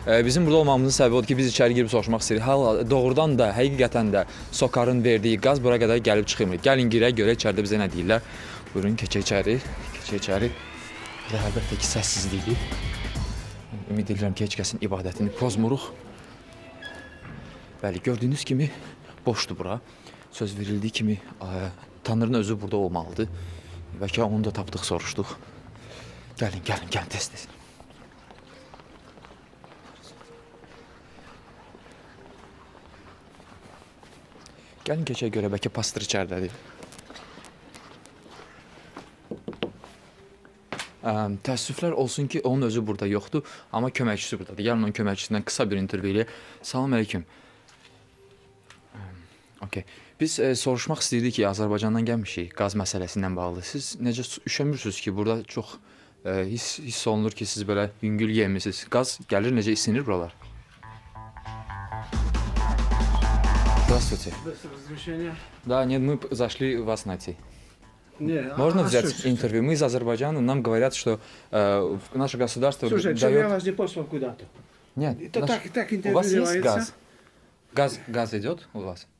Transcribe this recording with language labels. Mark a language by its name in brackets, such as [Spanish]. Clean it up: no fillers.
[Azerbaijani] Bizim burada olmamızın səbəbi odur ki, biz içəri girib soruşmaq istəyirik. Doğrudan da, həqiqətən də Sokarın verdiyi qaz bura qədər gəlib çıxmır. Gəlin girək, görək içəridə bizə nə deyirlər. Buyurun, keçək içəri. Rəhbətdə ki, səssizlikdir. Ümid edirəm ki, heç kəsin ibadətini pozmuruq. Bəli, gördüyünüz kimi boşdur bura. Söz verildiyi kimi Tanrının özü burada olmalıdır. Bəlkə onu da tapdıq, soruşduq. Gəlin, tez. Gəlin, keçək görə, bəlkə pastır içəridədir. Təəssüflər olsun ki, onun özü burada yoxdur, amma köməkçisi buradadır. Gəlin, onun köməkçisindən qısa bir intervyu eləyək. Salam əleyküm. Okey. Biz soruşmaq istəyirdik ki, Azərbaycandan gəlmişik qaz məsələsindən bağlı. Siz necə üşəmirsiniz ki, burada çox hiss olunur ki, siz belə yüngül yemisiniz. Qaz gəlir, necə isinir buralar? [Russian] Здравствуйте. Да, нет, мы зашли вас найти. Можно взять интервью? Мы из Азербайджана, нам говорят, что наше государство дает... Слушай, я вас не послал куда-то. Нет, так у вас есть газ? Газ идет у вас?